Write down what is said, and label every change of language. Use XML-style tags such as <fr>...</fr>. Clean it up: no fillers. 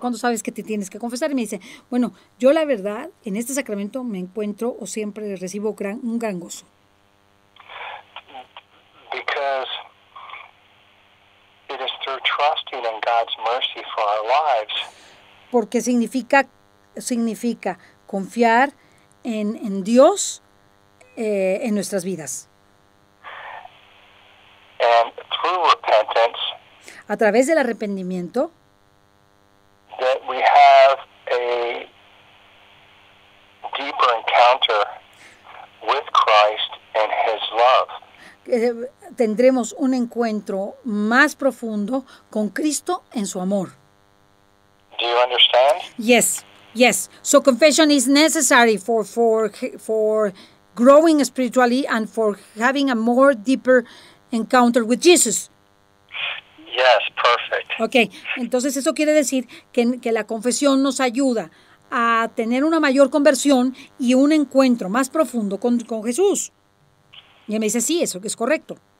<es>¿Cuándo sabes que te tienes que confesar? Y me dice, bueno, yo la verdad, en este sacramento me encuentro o siempre recibo un gran gozo.</es> <en>Because it is through trusting in God's mercy for our lives.</en> <es>Porque significa confiar en Dios en nuestras vidas.</es> <en>And through repentance.</en> <es>A través del arrepentimiento,</es> <en>that we have a deeper encounter with Christ and his love.</en> <es>Tendremos un encuentro más profundo con Cristo en su amor.</es> <en>Do you understand? Yes, yes. So confession is necessary for growing spiritually and for having a more deeper encounter with Jesus. Yes, perfect.</en> <es>Okay, entonces eso quiere decir que la confesión nos ayuda a tener una mayor conversión y un encuentro más profundo con Jesús. Y él me dice, sí, eso es correcto.</es>